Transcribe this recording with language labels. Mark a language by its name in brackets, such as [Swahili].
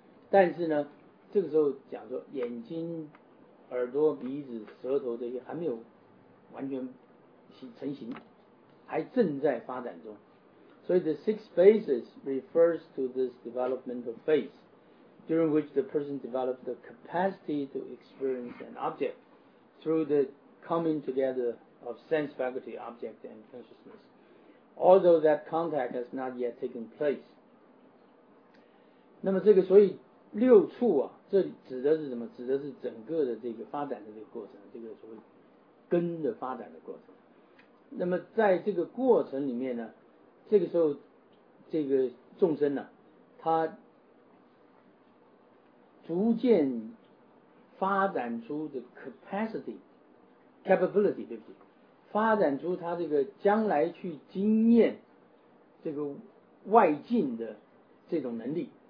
[Chinese] 但是呢这个时候讲说眼睛耳朵鼻子舌头这些还没有完全成型。还正在发展中，所以 [English] the six phases refers to this developmental phase during which the person develops the capacity to experience an object through the coming together of sense faculty, object and consciousness, although that contact has not yet taken place. [Chinese] 那么这个所以六处啊，这里指的是什么？指的是整个的这个发展的这个过程，这个所谓根的发展的过程。那么在这个过程里面呢，这个时候这个众生呢、啊、他逐渐发展出的 capability 对不对，发展出他这个将来去经验这个外境的这种能力。